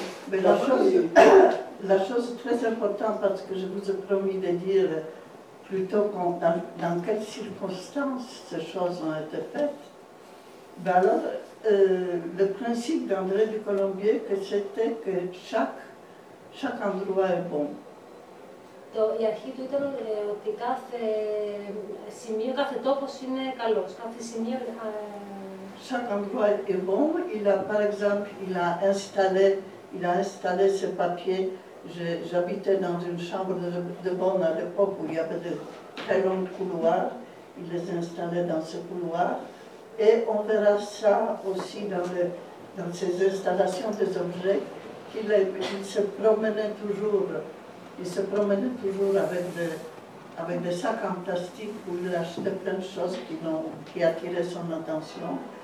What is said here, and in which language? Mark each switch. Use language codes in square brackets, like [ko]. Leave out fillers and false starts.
[fr] Mais la chose est très importante parce que je vous ai promis de dire plutôt dans quelles circonstances ces choses ont été faites. Ben alors, le principe d'André du Colombier, que c'était que chaque endroit est bon. [el] Η αρχή του ήταν ότι κάθε σημείο, κάθε τόπος είναι καλός. Κάθε σημείο. [fr] Chaque endroit est bon. Il a, par exemple, il a installé ses papiers. J'habitais dans une chambre de bonne à l'époque où il y avait de très longs couloirs. Il les installait dans ce couloir. Et on verra ça aussi dans ses installations des objets, qu'il se promenait toujours avec des sacs en plastique où il achetait plein de choses qui attiraient son attention.